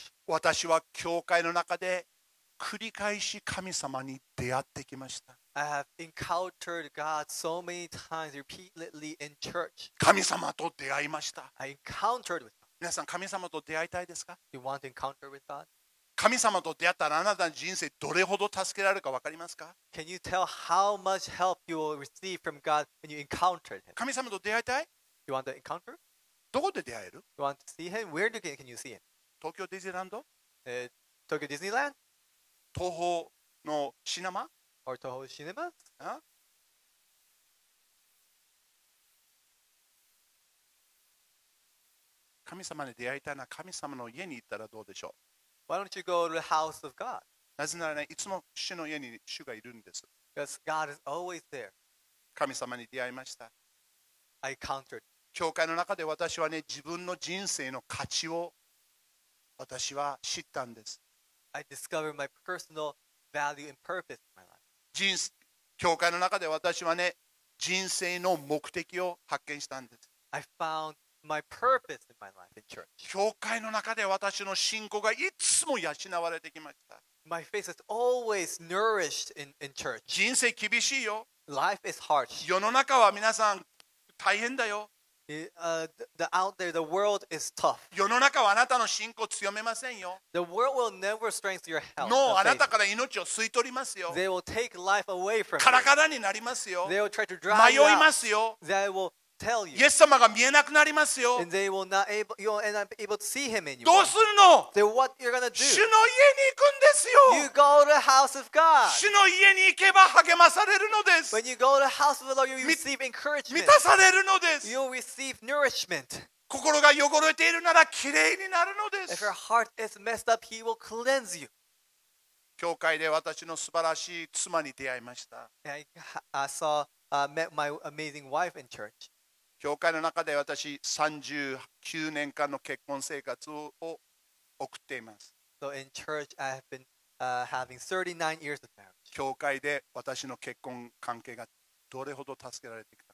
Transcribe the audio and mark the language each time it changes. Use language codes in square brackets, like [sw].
[ja] 私は教会の中で繰り返し神様に出会ってきました。 [en] I have encountered God so many times repeatedly in church. [ja] 神様と出会いました。 [en] I encountered with God. [ja] 皆さん、神様と出会いたいですか? [en] Do you want to encounter with God? [ja] 神様と出会ったらあなたの人生どれほど助けられるか分かりますか? [en] Can you tell how much help you will receive from God when you encounter him? [ja] 神様と出会いたい? [en] You want to encounter? [ja] どこで出会える? [en] You want to see him? Where do you, can you see him? [ja] 東京ディズニーランド? [en] Tokyo Disneyland? [ja] 東宝のシネマ? [en] Or 東宝シネマ? [ja] 神様に出会いたいな、神様の家に行ったらどうでしょう。 [en] Why don't you go to the house of God? [ja] なぜならね、いつも主の家に主がいるんです。 [en] Because God is always there. [ja] 神様に出会いました。 [en] I encountered. [ja] 教会の中で私はね、自分の人生の価値を私は知ったんです。 [en] I discovered my personal value and purpose in my life. [ja] 教会の中で私はね、人生の目的を発見したんです。 [en] I found my purpose in my life in church. [ja] 教会の中で私の信仰がいつも養われてきました。 [en] My faith is always nourished in church. [ja] 人生厳しいよ。 [en] Life is harsh. [ja] 世の中は皆さん大変だよ。 [en] The out there, the world is tough. [ja] 世の中はあなたの信仰強めませんよ。 [en] The world will never strengthen your health. [ja] No, あなたから命を吸い取りますよ。 [en] They will take life away from you. [ja] カラカラになりますよ。 [en] They will try to drive you out. [ja] 迷いますよ。 [en] They will tell you. [ja] イエス様が見えなくなりますよ。 [en] And they will not able, you'll end up able to see him anymore. [ja] どうするの？ [en] Then what you're gonna do? [ja] 主の家に行くんですよ。 [en] You go to the house of God. [ja] 主の家に行けば励まされるのです。 [en] When you go to the house of the Lord, you receive encouragement. [ja] 満たされるのです。 [en] You'll receive nourishment. [ja] 心が汚れているなら綺麗になるのです。 [en] If your heart is messed up, he will cleanse you. [ja] 教会で私の素晴らしい妻に出会いました。 [en] I met my amazing wife in church. [ja] 教会の中で私39年間の結婚生活を送っています。 [en] So in church, I have been having 39 years of marriage. [ja] 教会で私の結婚関係がどれほど助けられてきた